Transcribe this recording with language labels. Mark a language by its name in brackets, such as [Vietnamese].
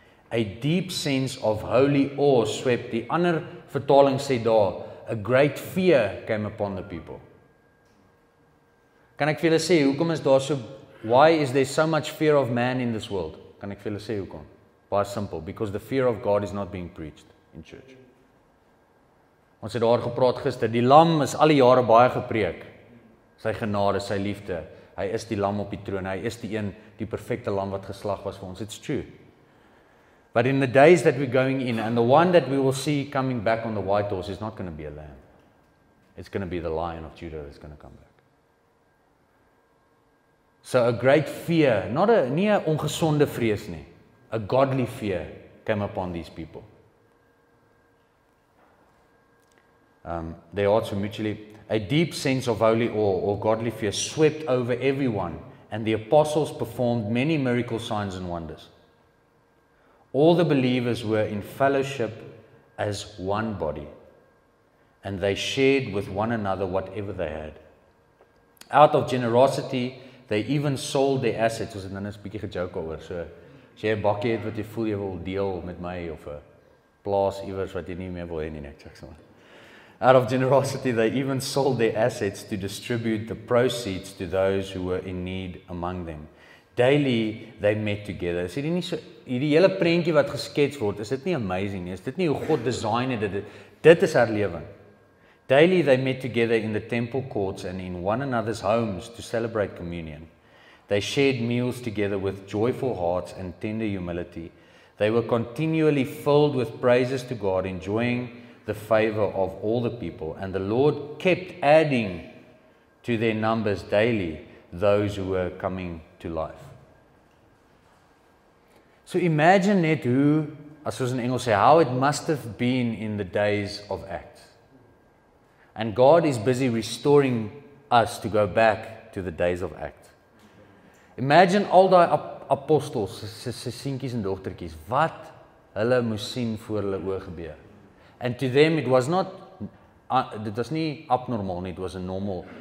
[English] A deep sense of holy awe swept. [Afrikaans] Die ander vertaling sê daar, [English] a great fear came upon the people. [Afrikaans] Kan ek vir julle sê, hoekom is daar so, [English] why is there so much fear of man in this world? [Afrikaans] Kan ek vir julle sê hoekom? Baie simpel, [English] because the fear of God is not being preached in church. [Afrikaans] Ons het daar gepraat gister, die lam is alle jare baie gepreek. Sy genade, sy liefde, hy is die lam op die troon, hy is die een, die perfecte lam wat geslag was vir ons. [English] It's true. But in the days that we're going in, and the one that we will see coming back on the white horse is not going to be a lamb. It's going to be the Lion of Judah that's going to come back. So a great fear, [Afrikaans] nie 'n ongesonde vrees nie, [English] a godly fear came upon these people. They also mutually, a deep sense of holy awe or godly fear swept over everyone, and the apostles performed many miracle signs and wonders. All the believers were in fellowship as one body, and they shared with one another whatever they had. Out of generosity, they even sold their assets. [Afrikaans] Ons het nou 'n bietjie gejoke oor. So, as jy 'n bakkie het wat jy voel jy wil deel met my, of 'n plaas iewers wat jy nie meer wil hê nie, ek sê sommer. [English] Out of generosity, they even sold their assets to distribute the proceeds to those who were in need among them. [Afrikaans] Daily, they met together. Is dit nie so, hierdie hele prentjie wat geskets word, is dit nie amazing nie? Is dit nie hoe God design het? Dit is herlewing. [English] Daily, they met together in the temple courts and in one another's homes to celebrate communion. They shared meals together with joyful hearts and tender humility. They were continually filled with praises to God, enjoying the favor of all the people. And the Lord kept adding to their numbers daily those who were coming to life. So imagine [Afrikaans] net hoe, as ons in Engels sê, [English] how it must have been in the days of Acts. And God is busy restoring us to go back to the days of Acts. [Afrikaans] Imagine al die apostels, se seentjies en dogtertjies, wat hulle moes sien voor hulle oë gebeur. [English] And to them it was not, [Afrikaans] dit was nie abnormal nie, [English] it was a normal.